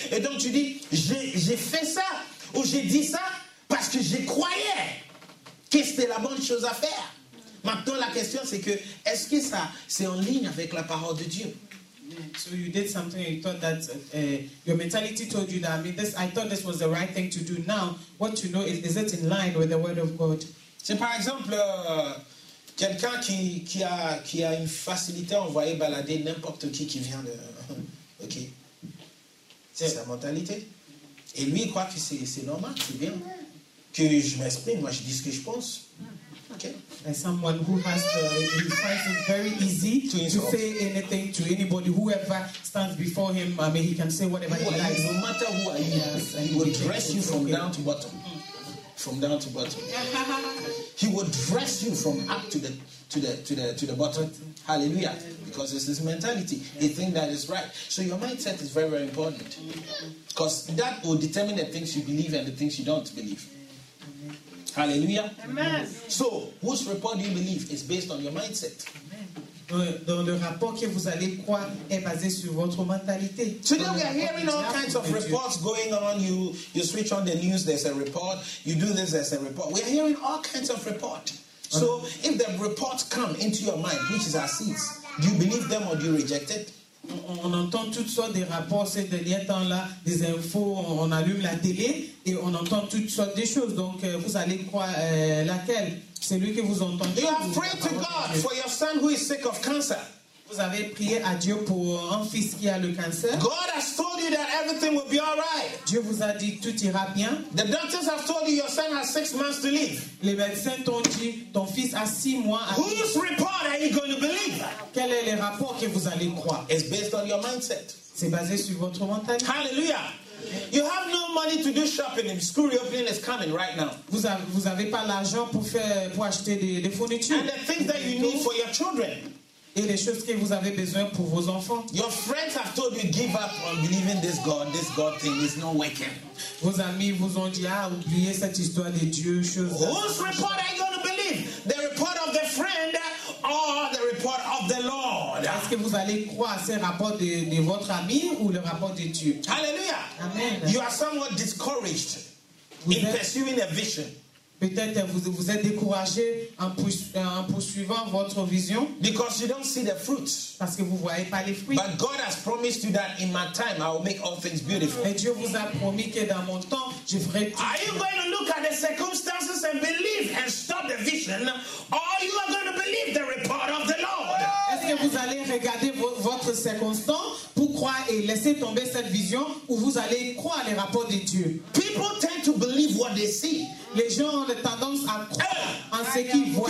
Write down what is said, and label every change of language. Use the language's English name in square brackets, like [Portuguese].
[French] Et donc tu dis j'ai fait ça ou j'ai dit ça parce que je croyais que c'était la bonne chose à faire. Maintenant la question c'est que est-ce que ça c'est en ligne avec la parole de Dieu? [English] So you did something and you thought that your mentality told you that I thought this was the right thing to do. Now what you know is it in line with the word of God? [French] C'est par exemple quelqu'un qui a une facilité à envoyer balader n'importe qui vient de OK. C'est sa mentalité. Et lui il croit que c'est normal, c'est bien que je m'exprime, moi je dis ce que je pense. [English] Okay. And someone who has he finds it very easy to say anything to anybody, whoever stands before him. I mean, he can say whatever he likes. No matter who he is, he will dress you from down to bottom. From down to bottom. He will dress you from up to the bottom. Hallelujah. Because it's his mentality. He thinks that is right. So your mindset is very, very important. Because that will determine the things you believe and the things you don't believe. Hallelujah. Amen. So, whose report do you believe is based on your mindset? [French] Dans le rapport que vous allez croire est basé sur votre mentalité. [English] Today we are hearing all kinds of reports going on. You switch on the news, there's a report. You do this, there's a report. We are hearing all kinds of reports. So if the reports come into your mind, which is our seeds, do you believe them or do you reject it? [French] On entend toutes sortes de rapports ces derniers temps-là, des infos, on allume la télé et on entend toutes sortes de choses. Donc vous allez croire laquelle? C'est lui que vous entendez. [English] You have prayed to God for your son who is sick of cancer. [French] Vous avez prié à Dieu pour un fils qui a le cancer. [English] God has told you that everything will be all right. [French] Dieu vous a dit tout ira bien. [English] The doctors have told you your son has 6 months to live. [French] Les médecins t'ont dit ton fils a 6 mois à vivre. [English] Whose report are you going to believe? [French] Quel est le rapport que vous allez croire? [English] It's based on your mindset. [French] C'est basé sur votre mentalité. [English] Hallelujah. You have no money to do shopping. The school reopening is coming right now. [French] Vous avez pas l'argent pour faire pour acheter des fournitures. [English] And the things that you need for your children. [French] Et les choses que vous avez besoin pour vos enfants. [English] Your friends have told you give up on believing this God. This God thing is not working. [French] Vos amis vous ont dit ah oubliez cette histoire de Dieu. [English] Whose report are you going to believe? The report of the friend or the report of the Lord? [French] Est-ce que vous allez croire à ce rapport de votre ami ou le rapport de Dieu? Hallelujah. Amen. [English] You are somewhat discouraged in pursuing a vision. [French] Peut-être vous êtes découragé en poursuivant votre vision. [English] Because you don't see the fruits. [French] Parce que vous voyez pas les fruits. [English] But God has promised you that in my time I will make all things beautiful. [French] Mais Dieu vous a promis que dans mon temps je ferai tout. [English] Are you going to look at the circumstances and believe and stop the vision, or you are going to believe the report of the Lord? [French] Est-ce que vous allez regarder votre circonstance pour croire et laisser tomber cette vision, ou vous allez croire les rapports de Dieu? [English] People tend to believe what they see. [French] Les gens ont tendance à croire en ce qu'ils voient.